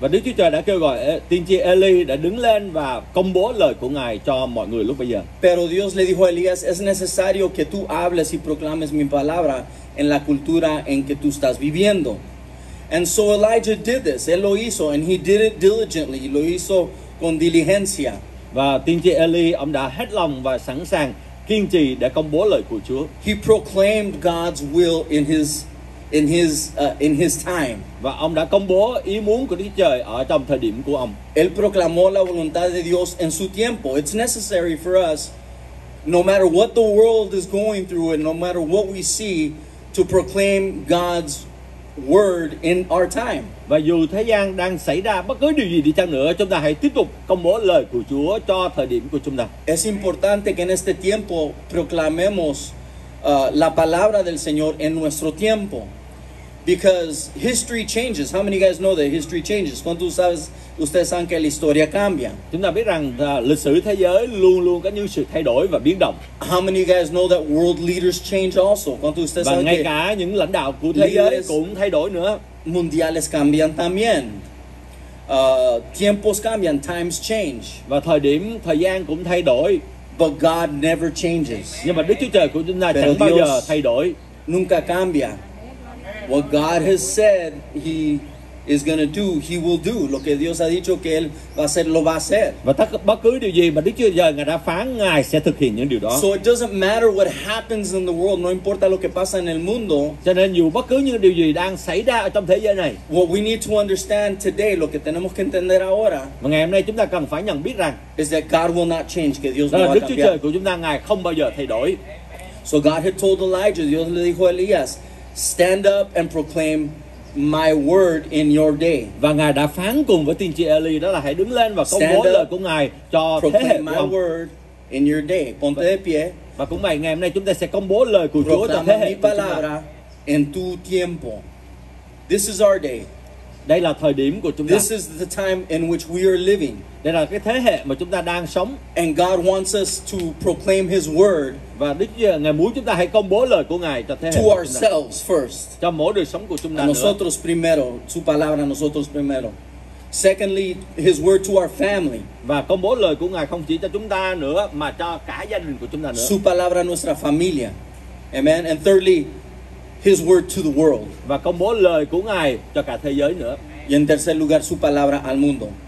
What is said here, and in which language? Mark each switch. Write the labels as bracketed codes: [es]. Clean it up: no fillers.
[vi] Và Đức Chúa Trời đã kêu gọi tiên tri Eli đã đứng lên và công bố lời của Ngài cho mọi người lúc bây giờ. [es] Pero Dios le dijo a Elías, es necesario que tú hables y proclames mi palabra en la cultura en que tú estás viviendo. [en] And so Elijah did this. [es] Él lo hizo [en] and he did it diligently. [es] Lo hizo con diligencia. [vi] Và tiên tri Eli, ông đã hết lòng và sẵn sàng kiên trì để công bố lời của Chúa. [en] He proclaimed God's will in his time. [vi] Và ông đã công bố ý muốn của Đức Trời ở trong thời điểm của ông. [es] Él proclamó la voluntad de Dios en su tiempo. [en] It's necessary for us, no matter what the world is going through and no matter what we see, to proclaim God's word in our time. [vi] Và dù thế gian đang xảy ra bất cứ điều gì đi chăng nữa, chúng ta hãy tiếp tục công bố lời của Chúa cho thời điểm của chúng ta. [es] Es importante que en este tiempo proclamemos la palabra del Señor en nuestro tiempo. [en] Because history changes. How many of you guys know that history changes? [es] ¿Cuántos sabes, ustedes saben que la historia cambia? [vi] Chúng ta biết rằng lịch sử thế giới luôn luôn có những sự thay đổi và biến động. [en] How many of you guys know that world leaders change also? [es] ¿Cuántos ustedes [vi] saben? Và ngay cả những lãnh đạo của thế giới cũng thay đổi nữa. [es] Mundiales cambian también. Tiempos cambian, [en] times change. [vi] Và thời điểm, thời gian cũng thay đổi. [en] But God never changes. [vi] Nhưng mà Đức Chúa Trời của chúng ta chẳng bao giờ thay đổi. [es] Nunca cambia. [en] What God has said, He is going to do, he will do. [es] Lo que Dios ha dicho que él va a hacer, lo va a hacer. [vi] Và bất cứ điều gì mà Đức Chúa Trời ngài đã phán, ngài sẽ thực hiện những điều đó. [en] So it doesn't matter what happens in the world, [es] no importa lo que pasa en el mundo. [vi] Cho nên dù bất cứ những điều gì đang xảy ra ở trong thế giới này. [en] What we need to understand today, [es] lo que tenemos que entender ahora. [vi] Mà ngày hôm nay chúng ta cần phải nhận biết rằng [en] is that God will not change, [es] que Dios no va a cambiar. [vi] Đức Chúa Trời của chúng ta ngài không bao giờ thay đổi. [en] So God had told Elijah, [es] Dios le dijo a Elías, [en] stand up and proclaim my word in your day. [vi] Và ngài đã phán cùng với tiên tri Eli đó là hãy đứng lên và công bố lời của ngài cho thế hệ của ông. [en] My word in your day. [es] Ponte de pie. [vi] Và cũng vậy, ngày hôm nay chúng ta sẽ công bố lời của Chúa cho thế hệ của chúng ta. [es] En tu tiempo. [en] This is our day. [vi] Đây là thời điểm của chúng ta. [en] This is the time in which we are living. [vi] Đây là cái thế hệ mà chúng ta đang sống. [en] And God wants us to proclaim his word. [vi] Và Đức Chúa ngài muốn chúng ta hãy công bố lời của ngài cho thế hệ [en] to ourselves first. [vi] Cho mỗi đời sống của chúng ta [es] nữa. Nosotros primero, su palabra nosotros primero. [en] Secondly, his word to our family. [vi] Và công bố lời của ngài không chỉ cho chúng ta nữa mà cho cả gia đình của chúng ta nữa. [es] Su palabra nuestra familia. [en] Amen. And thirdly, his word to the world. [vi] Và công bố lời của ngài cho cả thế giới nữa. [es] Y en tercer lugar, su palabra al mundo.